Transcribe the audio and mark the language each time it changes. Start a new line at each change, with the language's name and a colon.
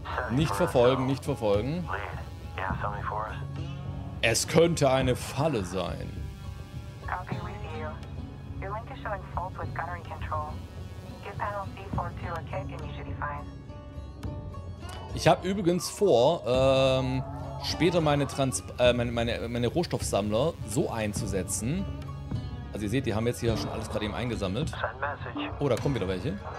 German: Nicht verfolgen, nicht verfolgen. Es könnte eine Falle sein.
English: Copy, we see you. Your link is showing fault with gunnery control. Give panel C42 a kick and you should be fine.
German: Ich habe übrigens vor, später meine Rohstoffsammler so einzusetzen. Also ihr seht, die haben jetzt hier schon alles gerade eben eingesammelt. Oh, da kommen wieder welche.